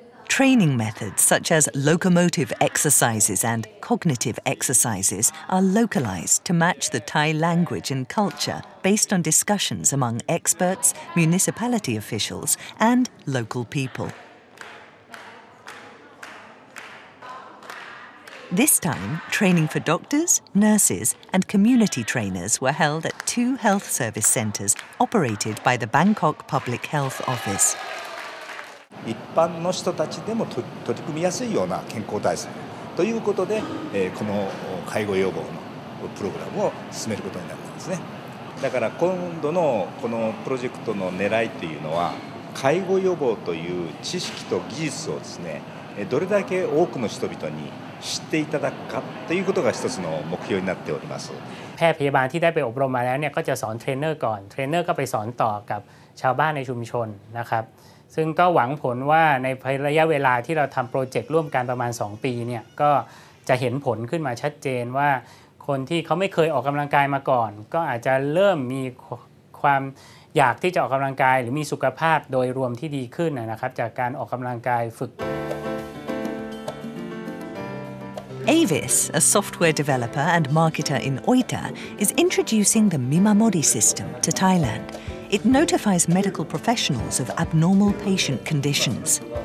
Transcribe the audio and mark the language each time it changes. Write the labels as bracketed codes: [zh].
[en] Training methods such as locomotive exercises and cognitive exercises are localized to match the Thai language and culture based on discussions among experts, municipality officials, and local people. This time, training for doctors, nurses, and community trainers were held at two health service centers operated by the Bangkok Public Health Office. [ja] 一般の人たちでも取り組みやすいような健康対策ということで、この介護予防のプログラムを進めることになったんですね。だから今度のこのプロジェクトの狙いというのは、介護予防という知識と技術をですね、どれだけ多くの人々に知っていただくかということが一つの目標になっております。 [th] แพทย์พยาบาลที่ได้ไปอบรมมาแล้วเนี่ยก็จะสอนเทรนเนอร์ก่อนเทรนเนอร์ก็ไปสอนต่อกับชาวบ้านในชุมชนนะครับซึ่งก็หวังผลว่าในระยะเวลาที่เราทำโปรเจกต์ร่วมกันประมาณ2ปีเนี่ยก็จะเห็นผลขึ้นมาชัดเจนว่าคนที่เขาไม่เคยออกกำลังกายมาก่อนก็อาจจะเริ่มมีความอยากที่จะออกกำลังกายหรือมีสุขภาพโดยรวมที่ดีขึ้นนะครับจากการออกกำลังกายฝึก [en] Avis, a software developer and marketer in Oita, is introducing the Mimamori system to Thailand. It notifies medical professionals of abnormal patient conditions.